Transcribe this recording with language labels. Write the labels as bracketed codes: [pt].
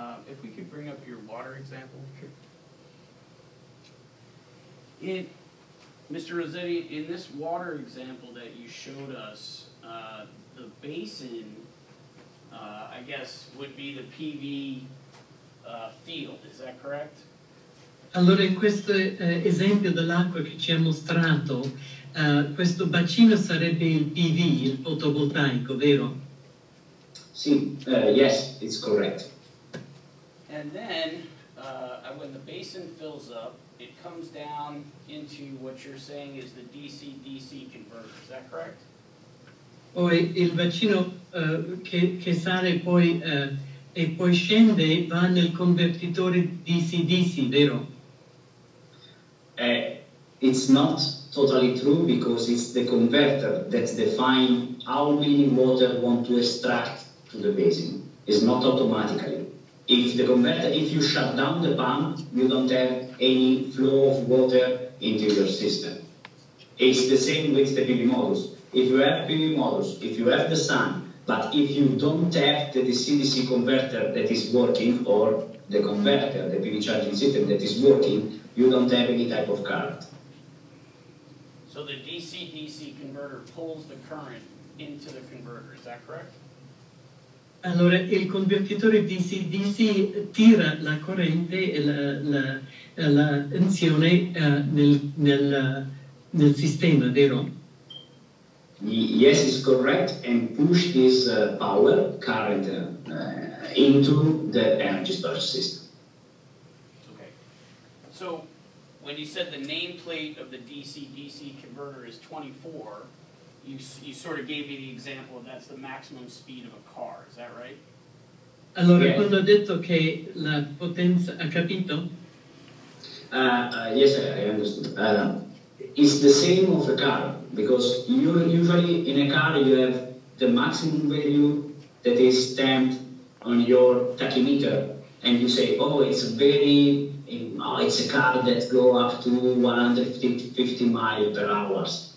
[en] If we could bring up your water example. Mr. Rossetti, in this water example that you showed us, the basin, I guess, would be the PV field. Is that correct? [it] Allora, in questo esempio dell'acqua che ci ha mostrato, questo bacino sarebbe il PV, il fotovoltaico, vero? Sì, [en] yes, it's correct. And then, when the basin fills up, it comes down into what you're saying is the DC-DC converter. Is that correct? [it] Poi il bacino che sale poi e poi scende va nel convertitore DC-DC, vero? [en] It's not totally true, because it's the converter that defines how many water want to extract to the basin. It's not automatically. If the converter, if you shut down the pump, you don't have any flow of water into your system. It's the same with the PV modules. If you have PV modules, if you have the sun, but if you don't have the DC-DC converter that is working, or the converter, the PV charging system that is working, you don't have any type of current. So the DC-DC converter pulls the current into the converter, is that correct? [it] Allora, il convertitore DC-DC tira la corrente e la tensione nel sistema, vero? [en] Yes, it's correct, and push this power current into the energy storage system. Okay. So, when you said the nameplate of the DC-DC converter is 24, you sort of gave me the example of that's the maximum speed of a car, is that right? [it] Allora, [en] yeah. [it] Quando ho detto che la potenza, ha capito? [en] Yes, I understood. It's the same of a car, because you usually in a car you have the maximum value that is stamped on your tachymeter, and you say, oh, it's very, it's a car that go up to 150 miles per hour.